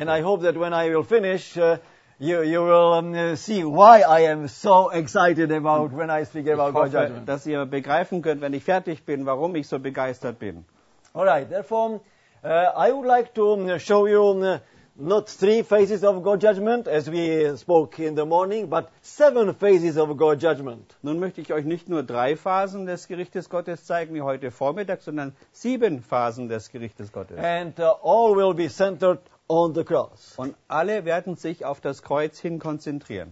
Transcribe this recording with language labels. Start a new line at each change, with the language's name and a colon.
English: And I hope that when I will finish you will see why I am so excited about when I speak about God's judgment.
German: Dass ihr begreifen könnt, wenn ich fertig bin, warum ich so begeistert bin.
English: All right, therefore, I would like to show you not three phases of God's judgment, as we spoke in the morning, but seven phases of God's judgment.
German: Nun möchte ich euch nicht nur drei Phasen des Gerichtes Gottes zeigen, wie heute Vormittag, sondern sieben Phasen des Gerichtes Gottes.
English: And all will be centered on the cross.
German: Und alle werden sich auf das Kreuz hin konzentrieren.